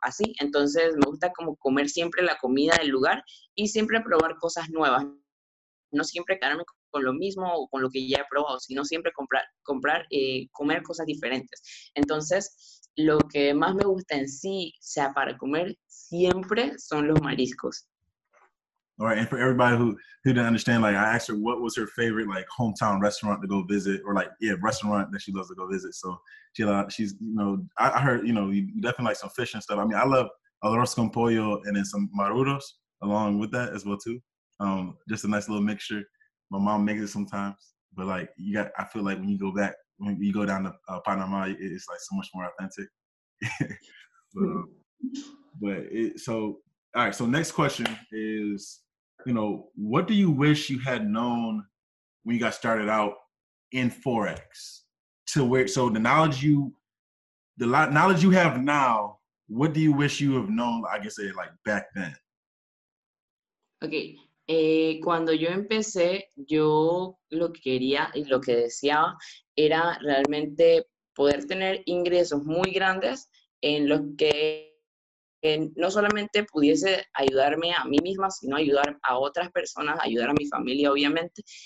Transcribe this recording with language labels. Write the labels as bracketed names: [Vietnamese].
[Spanish] Así, entonces me gusta como comer siempre la comida del lugar y siempre probar cosas nuevas. No siempre quedarme con lo mismo o con lo que ya he probado, sino siempre comer cosas diferentes. Entonces, lo que más me gusta en sí, o sea, para comer, siempre son los mariscos. [English] All right, and for everybody who didn't understand, like I asked her what was her favorite like hometown restaurant to go visit, or like yeah, restaurant that she loves to go visit. So she's you know I heard you know you definitely like some fish and stuff. I mean I love [Spanish] arroz con pollo [English] and then some maruros along with that as well too. Just a nice little mixture. My mom makes it sometimes, but like you got, I feel like when you go back, when you go down to Panama, it's like so much more authentic. So. All right, so next question is, you know, what do you wish you had known when you got started out in Forex to where, so the knowledge you have now, what do you wish you have known, I guess, like back then? Okay. [Spanish] Cuando yo empecé, yo lo que quería y lo que deseaba era realmente poder tener ingresos muy grandes en los que no solamente pudiese ayudarme a mí misma, sino ayudar a otras personas, ayudar a mi familia, obviamente.